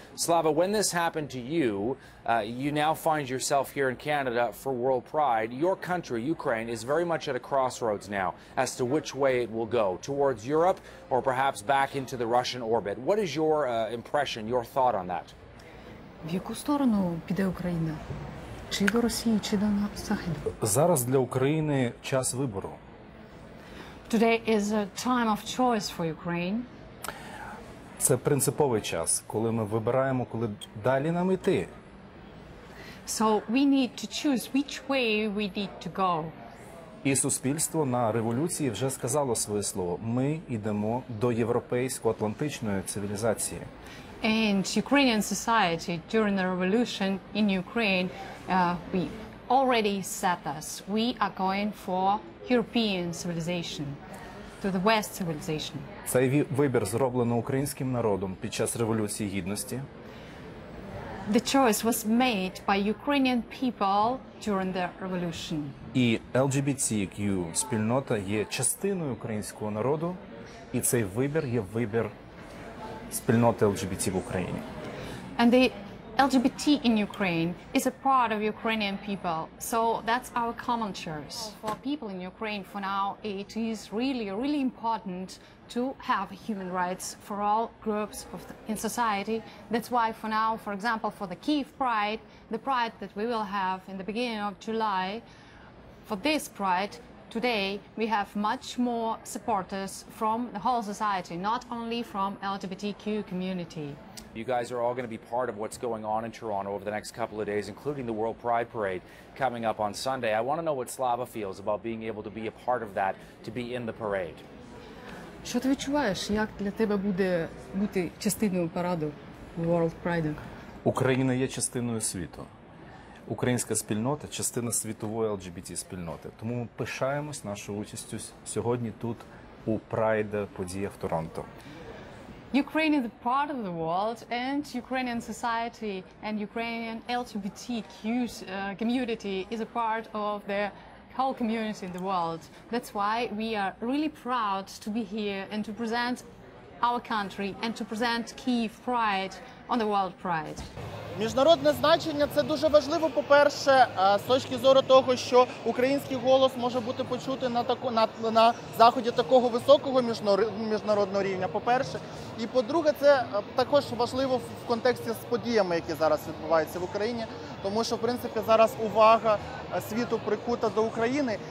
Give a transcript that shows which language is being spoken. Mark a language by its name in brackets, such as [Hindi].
[English] Slava, when this happened to you, you now find yourself here in Canada for World Pride. Your country, Ukraine, is very much at a crossroads now as to which way it will go, towards Europe or perhaps back into the Russian orbit. What is your impression, your thought on that? [Ukrainian] В яку сторону піде Україна? Чи до Росії, чи до Заходу? Зараз для України час вибору. [English] Today is a time of choice for Ukraine. [Ukrainian] Це принциповий час, коли ми вибираємо, коли далі нам йти. [English] So we need to choose which way we need to go. [Ukrainian] І суспільство на революції вже сказало своє слово. Ми йдемо до європейсько-атлантичної цивілізації. [English] And Ukrainian society during the revolution in Ukraine, we already said this. We are going for European civilization, to the West civilization. [Ukrainian] Цей вибір зроблено українським народом під час Революції Гідності. [English] the choice was made by Ukrainian people during the revolution. [Ukrainian] І LGBTQ спільнота є частиною українського народу, і цей вибір є вибір спільноти LGBT в Україні. [English] And the LGBT in Ukraine is a part of Ukrainian people. So that's our common choice. For people in Ukraine for now, it is really, really important to have human rights for all groups of in society. That's why for now, for example, for the Kyiv Pride, the pride that we will have in the beginning of July, for this pride, today we have much more supporters from the whole society, not only from LGBTQ community. You guys are all going to be part of what's going on in Toronto over the next couple of days, including the World Pride Parade coming up on Sunday. I want to know what Slava feels about being able to be a part of that, to be in the parade. [Ukrainian] Що ти відчуваєш, як для тебе буде бути частиною параду World Pride? Україна є частиною світу. Українська спільнота – частина світової LGBT-спільноти. Тому ми пишаємось нашою участю сьогодні тут у Pride подіях в Торонто. [English] Ukraine is a part of the world, and Ukrainian society and Ukrainian LGBTQ community is a part of the whole community in the world. That's why we are really proud to be here and to present our country and to present Kyiv Pride on the World Pride. [Ukrainian] Міжнародне значення – це дуже важливо, по-перше, з точки зору того, що український голос може бути почути на заході такого високого міжнародного рівня, по-перше. І, по-друге, це також важливо в контексті з подіями, які зараз відбуваються в Україні, тому що, в принципі, зараз увага світу прикута до України.